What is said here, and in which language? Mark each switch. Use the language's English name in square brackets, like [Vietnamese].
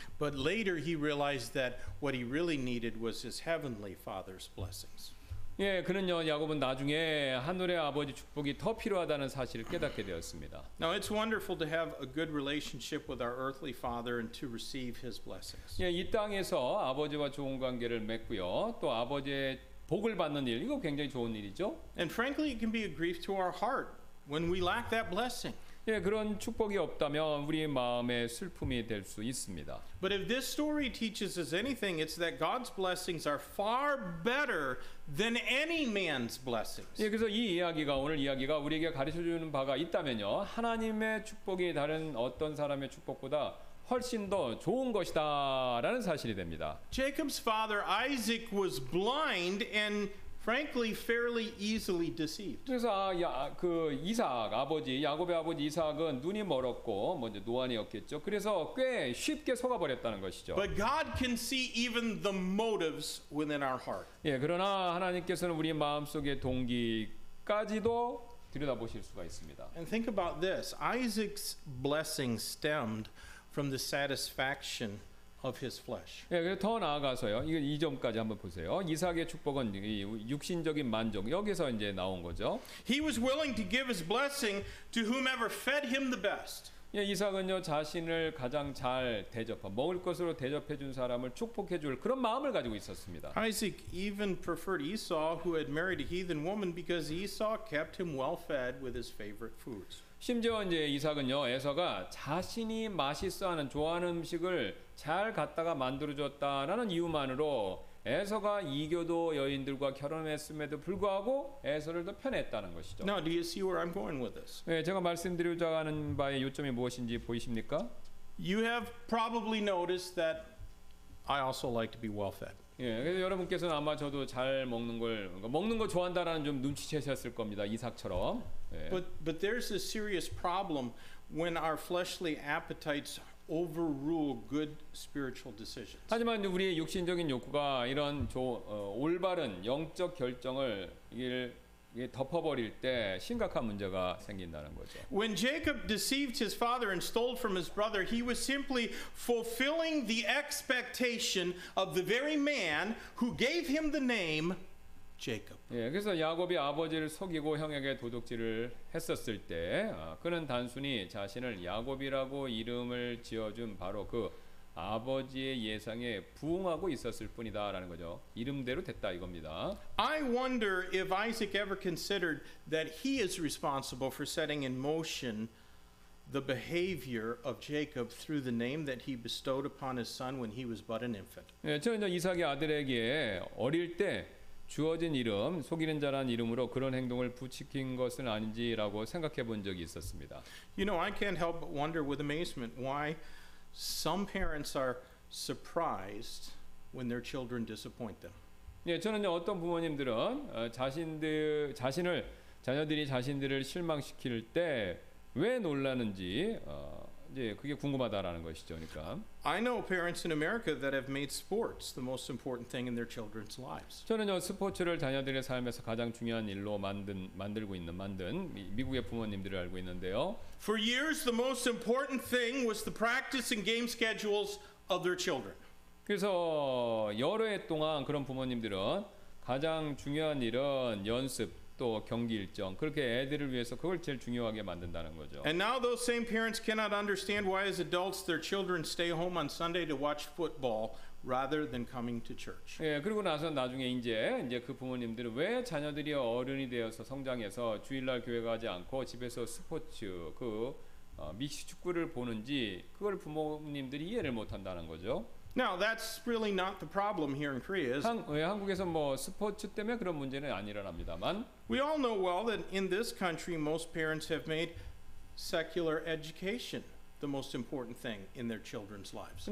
[English] But later he realized that what he really needed was his heavenly father's blessings. [Korean] 예, 그는요 야곱은 나중에 하늘의 아버지 축복이 더 필요하다는 사실을 깨닫게 되었습니다. [English] Now it's wonderful to have a good relationship with our earthly father and to receive his blessings. [Korean] 예, 이 땅에서 아버지와 좋은 관계를 맺고요. 또 아버지의 복을 받는 일 이거 굉장히 좋은 일이죠. [English] And frankly it can be a grief to our heart when we lack that blessing. [Korean] 예, 그런 축복이 없다면 우리 마음에 슬픔이 될 수 있습니다. [English] But if this story teaches us anything, it's that God's blessings are far better than any man's blessings. [Korean] 예, 그래서 이 이야기가 오늘 이야기가 우리에게 가르쳐 주는 바가 있다면요. 하나님의 축복이 다른 어떤 사람의 축복보다 훨씬 더 좋은 것이다라는 사실이 됩니다. [English] Jacob's father Isaac was blind and frankly, fairly easily deceived. [Korean] 그래서 그 이삭 아버지 야곱의 아버지 이삭은 눈이 멀었고 먼저 노안이었겠죠. 그래서 꽤 쉽게 속아버렸다는 것이죠. [English] But God can see even the motives within our heart. [Korean] 예, 그러나 하나님께서는 우리 마음 속의 동기까지도 들여다보실 수가 있습니다. [English] And think about this: Isaac's blessing stemmed from the satisfaction of his flesh. [Korean] 예, 그래서 더 나아가서요. 이거 이 점까지 한번 보세요. 이삭의 축복은 이 육신적인 만족 여기서 이제 나온 거죠. [English] He was willing to give his blessing to whomever fed him the best. [Korean] 예, 이삭은요 자신을 가장 잘 대접한 먹을 것으로 대접해 준 사람을 축복해 줄 그런 마음을 가지고 있었습니다. [English] Isaac even preferred Esau, who had married a heathen woman, because Esau kept him well fed with his favorite foods. [Korean] 심지어 이제 이삭은요, 에서가 자신이 맛있어하는 좋아하는 음식을 잘 갖다가 만들어줬다라는 이유만으로 에서가 이교도 여인들과 결혼했음에도 불구하고 에서를 더 편애했다는 것이죠. [English] Now, do you see where I'm going with this? [Korean] 네, 제가 말씀드리고자 하는 바의 요점이 무엇인지 보이십니까? [English] You have probably noticed that I also like to be well-fed. [Korean] 예, 그래서 여러분께서는 아마 저도 잘 먹는 걸 먹는 거 좋아한다라는 좀 눈치채셨을 겁니다, 이삭처럼. 예. [English] But there's a serious problem when our fleshly appetites overrule good spiritual decisions. [Korean] 하지만 우리의 육신적인 욕구가 이런 올바른 영적 결정을 덮어버릴 때 심각한 문제가 생긴다는 거죠. [English] When Jacob deceived his father and stole from his brother, he was simply fulfilling the expectation of the very man who gave him the name Jacob. [Korean] 예, 그래서 야곱이 아버지를 속이고 형에게 도둑질을 했었을 때, 그는 단순히 자신을 야곱이라고 이름을 지어준 바로 그 아버지의 예상에 부응하고 있었을 뿐이다라는 거죠. 이름대로 됐다 이겁니다. [English] I wonder if Isaac ever considered that he is responsible for setting in motion the behavior of Jacob through the name that he bestowed upon his son when he was but an infant. [Korean] 예, 저는 이삭의 아들에게 어릴 때 주어진 이름, 속이는 자란 이름으로 그런 행동을 부추긴 것은 아닌지라고 생각해 본 적이 있었습니다. [English] You know, I can't help but wonder with amazement why some parents are surprised when their children disappoint them. [Korean] 예, 저는요, 어떤 부모님들은 자신을 자녀들이 자신들을 실망시킬 때 왜 놀라는지 이제 그게 궁금하다라는 것이죠, 그러니까. [English] I know parents in America that have made sports the most important thing in their children's lives. [Korean] 저는요, 스포츠를 자녀들의 삶에서 가장 중요한 일로 만들고 있는 미국의 부모님들을 알고 있는데요. [English] For years, the most important thing was the practice and game schedules of their children. [Korean] 그래서 여러 해 동안 그런 부모님들은 가장 중요한 일은 연습 또 경기 일정 그렇게 애들을 위해서 그걸 제일 중요하게 만든다는 거죠. [English] And now those same parents cannot understand why as adults their children stay home on Sunday to watch football rather than coming to church. [Korean] 예, 그리고 나서 나중에 이제 그 부모님들은 왜 자녀들이 어른이 되어서 성장해서 주일날 교회 가지 않고 집에서 스포츠 미식축구를 보는지 그걸 부모님들이 이해를 못 한다는 거죠. [English] Now that's really not the problem here in Korea. [Korean] 한국에서 뭐 스포츠 때문에 그런 문제는 아니라랍니다만. [English] We all know well that in this country most parents have made secular education the most important thing in their children's lives.